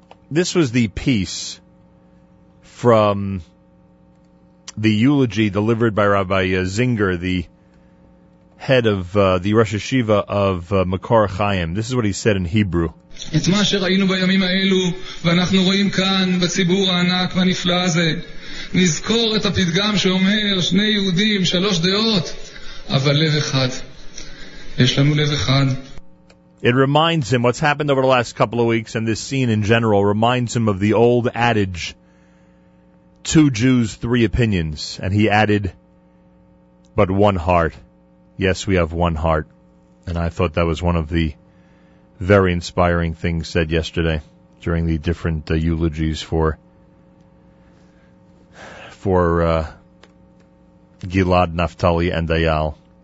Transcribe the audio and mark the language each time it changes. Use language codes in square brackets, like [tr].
[en] This was the piece from the eulogy delivered by Rabbi Zinger, the head of the Rosh Yeshiva of Makor Chaim. This is what he said in Hebrew. [he] את מה שראינו בימים האלו ואנחנו רואים כאן בציבור הענק והנפלא הזה, נזכור את הפתגם שאומר שני יהודים שלוש דעות אבל לב אחד. יש לנו לב אחד. [en] It reminds him what's happened over the last couple of weeks, and this scene in general reminds him of the old adage, two Jews, three opinions. And he added, but one heart. Yes, we have one heart. And I thought that was one of the very inspiring things said yesterday during the different eulogies for Gilad, Naftali, and Dayal.